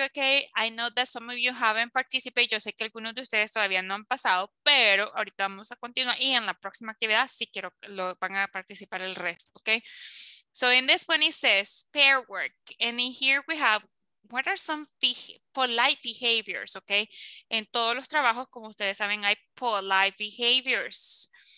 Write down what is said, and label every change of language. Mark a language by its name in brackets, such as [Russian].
[English] Okay, I know that some of you haven't participated. [Spanish] Yo sé que algunos de ustedes todavía no han pasado, pero ahorita vamos a continuar. Y en la próxima actividad sí quiero lo van a participar el resto. [English] Okay. So in this one it says pair work, and in here we have. What are some polite behaviors, okay? [Spanish] En todos los trabajos, como ustedes saben, hay [English] polite behaviors.